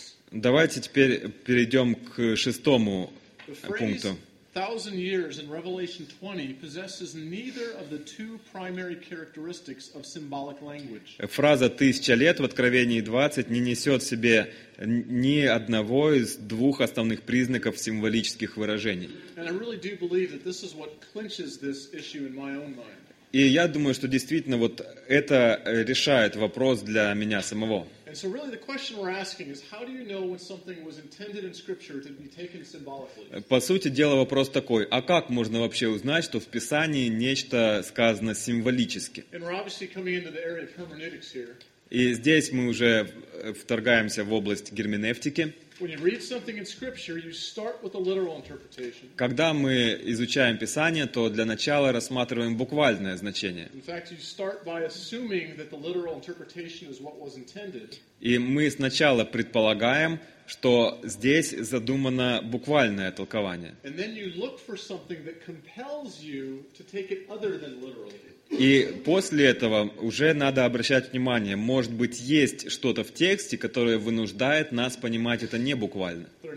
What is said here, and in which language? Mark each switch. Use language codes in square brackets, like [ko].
[ru] Давайте теперь перейдем к шестому пункту. [en] Thousand years in Revelation 20 possesses neither of the two primary characteristics of symbolic language. [ru] Фраза «тысяча лет» в Откровении 20 не несет в себе ни одного из двух основных признаков символических выражений. [en] And I really do believe that this is what clinches this issue in my own mind. [ru] И я думаю, что действительно вот это решает вопрос для меня самого. [en] And so really the question we're asking is, how do you know when something was intended in Scripture to be taken symbolically? [ru] По сути дела вопрос такой, а как можно вообще узнать, что в Писании нечто сказано символически? [en] And we're obviously coming into the area of hermeneutics here. [ru] И здесь мы уже вторгаемся в область герменевтики. [en] When you read something in Scripture, you start with a literal interpretation. [ru] Когда мы изучаем Писание, то для начала рассматриваем буквальное значение. [en] In fact, you start by assuming that the literal interpretation is what was intended. [ru] И мы сначала предполагаем, что здесь задумано буквальное толкование. [en] And then you look for something that compels you to take it other than literally. [ru] И после этого уже надо обращать внимание, может быть, есть что-то в тексте, которое вынуждает нас понимать это не буквально.